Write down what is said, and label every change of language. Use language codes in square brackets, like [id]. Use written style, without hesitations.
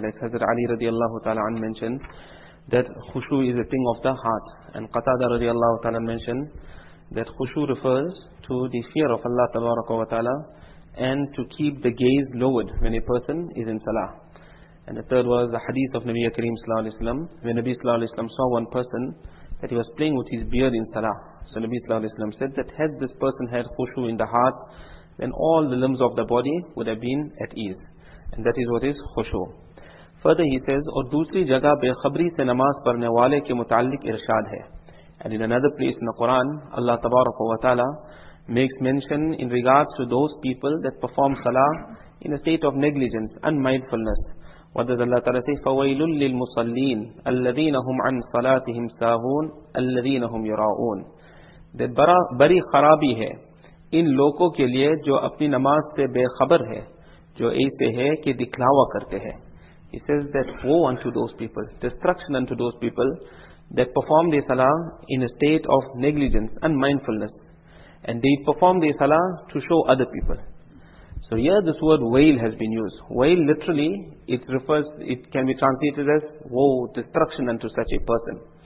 [en] Like Hazrat Ali radiallahu ta'ala an mentioned that khushu is a thing of the heart, and Qatada radiallahu ta'ala mentioned that khushu refers to the fear of Allah tabaraka wa ta'ala and to keep the gaze lowered when a person is in salah. And the third was the hadith of Nabi Kareem sallallahu alayhi wa sallam, when Nabi sallallahu alayhi wa sallam saw one person that he was playing with his beard in salah. So Nabi sallallahu alayhi wa sallam said that had this person had khushu in the heart, then all the limbs of the body would have been at ease. And that is what is khushu. Further he says, [ur] اور دوسری جگہ بے خبری سے نماز پڑھنے والے کے متعلق ارشاد ہے. [en] And in another place in the Quran, Allah tabarak wa ta'ala makes mention in regards to those people that perform salah in a state of negligence, unmindfulness. What does Allah Ta'ala say? [ar] فَوَيْلٌ لِّلْمُصَلِّينَ الَّذِينَ هُمْ عَنْ صَلَاتِهِمْ سَاهُونَ الَّذِينَ هُمْ يُرَاؤُونَ. [ur] That بری خرابی ہے ان لوگوں کے لیے جو اپنی نماز سے بے خبر ہے, جو ایسے ہے کہ دکھلاوا کرتے ہیں. [en] He says that woe unto those people, destruction unto those people that perform the salah in a state of negligence and mindfulness, and they perform the salah to show other people. So here this word wail has been used. Wail literally, it can be translated as woe, destruction unto such a person.